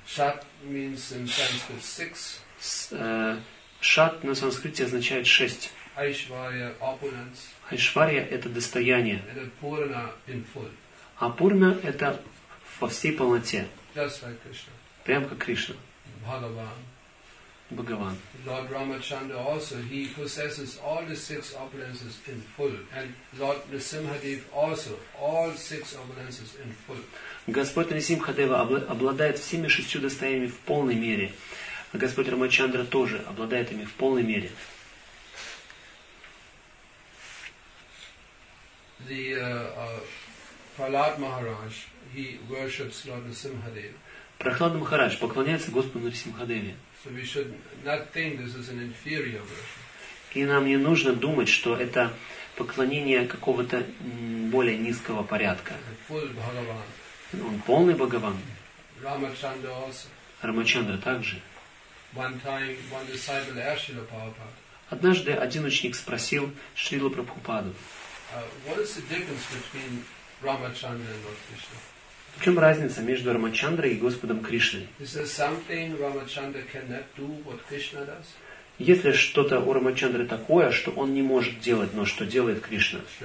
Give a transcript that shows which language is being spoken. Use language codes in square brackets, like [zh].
[en] Шат means in Sanskrit six. [ru] Шат на санскрите означает шесть. [en] Айшварья opulence. [ru] Айшварья это достояние. Это пурна in full. А пурна это во всей полноте. [en] Just like Krishna. [ru] Прямо как Кришна. Бхагаван. Бхагаван. [en] Lord Ramachandra also he possesses all the six opulences in full, and Lord Nrisimhadev also all six opulences in full. [ru] Господь Нрисимхадева обладает всеми шестью достояниями в полной мере, а Господь Рамачандра тоже обладает ими в полной мере. [en] The Prahlad Maharaj he worships Lord Nrisimhadev. [ru] Прахлада Махарадж поклоняется Господу Нрисимхадеве. [en] So we should not think this is an inferior [ru] worship. И нам не нужно думать, что это поклонение какого-то более низкого порядка. [en] Full Bhagavan. [ru] Он полный Бхагаван. [en] Рамачандра also. [ru] Рамачандра также. [en] One time one disciple asked Śrīla Prabhupāda. [ru] Однажды один ученик спросил Шрилу Прабхупаду. [en] What is the difference between Рамачандра and Лорд Кришна? [ru] В чем разница между Рамачандрой и Господом Кришной? [en] Is there something Ramachandra cannot do what Krishna does? [ru] Если что-то у Рамачандры такое, что он не может делать, но что делает Кришна?